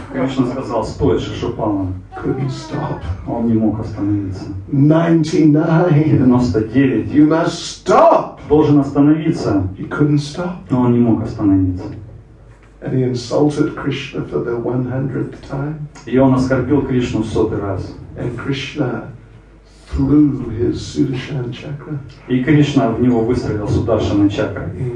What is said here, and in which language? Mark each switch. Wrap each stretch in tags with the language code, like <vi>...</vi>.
<ru>Кришна сказал, стой, Шишупала.</ru> <en>Couldn't stop.</en> <ru>Он не мог остановиться.</ru> <en>99. You must stop.</en> <ru>Должен остановиться.</ru> <en>He couldn't stop.</en> <ru>Но он не мог остановиться.</ru> <en>And he insulted Krishna for the 100th time.</en> <ru>И он оскорбил Кришну в сотый раз.</ru> <en>And Krishna threw his Sudarshan chakra.</en> <ru>И Кришна в него выстрелил Сударшана чакра.</ru>